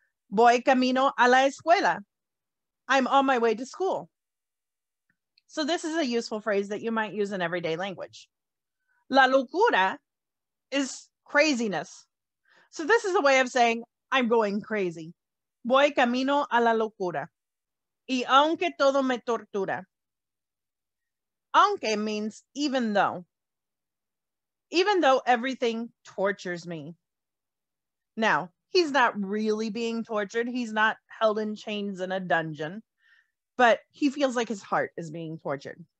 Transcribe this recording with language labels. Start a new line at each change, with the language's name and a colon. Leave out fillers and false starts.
Spanish: Voy camino a la escuela.
English: I'm on my way to school. So this is a useful phrase that you might use in everyday language.
Spanish: La locura
English: is craziness. So this is a way of saying, I'm going crazy.
Spanish: Voy camino a la locura. Y aunque todo me tortura.
English: Aunque means even though everything tortures me. Now, he's not really being tortured. He's not held in chains in a dungeon, but he feels like his heart is being tortured.